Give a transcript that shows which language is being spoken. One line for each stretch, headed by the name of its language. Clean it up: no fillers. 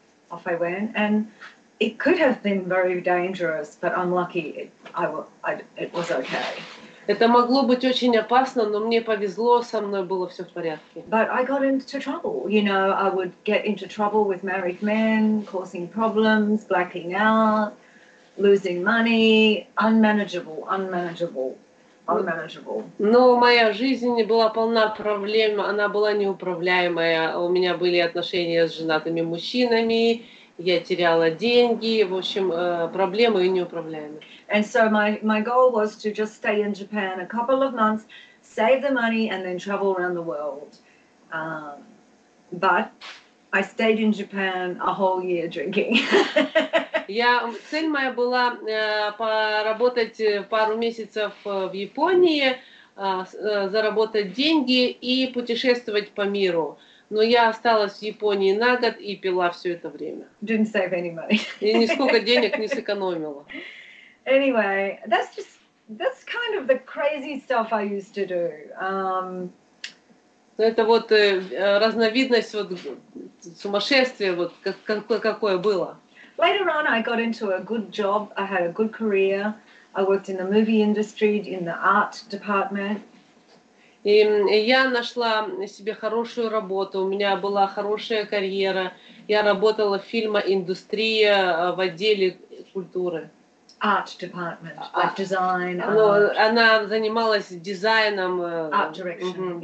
English: Off I went, and it could have been very dangerous, but I'm lucky it was okay.
Russian: Это могло быть очень опасно, но мне повезло, со мной было все в порядке.
English: But I got into trouble. You know, I would get into trouble with married men, causing problems, blacking out, losing money, unmanageable, unmanageable,
Russian: Но моя жизнь была полна проблем, она была неуправляемая. У меня были отношения с женатыми мужчинами, Я теряла деньги, в общем, проблемы и неуправляемые.
English: And so my goal was to just stay in Japan a couple of months, save the money and then travel around the world. But I stayed in Japan a whole year drinking.
Russian: Я, цель моя была поработать пару месяцев в Японии, заработать деньги и путешествовать по миру. Но я осталась в Японии на год и пила все это время.
English: Didn't save any money.
Russian: И нисколько денег не сэкономила.
English: Anyway, that's kind of the crazy stuff I used to do.
Russian: Это вот разновидность вот сумасшествия вот какое было.
English: Later on, I got into a good job. I had a good career. I worked in the movie industry, in the art department.
Russian: И я нашла себе хорошую работу, у меня была хорошая карьера. Я работала в фильмоиндустрии, в отделе культуры.
English: Art department, like design.
Russian: Ну, она занималась дизайном.
English: Art direction. Угу,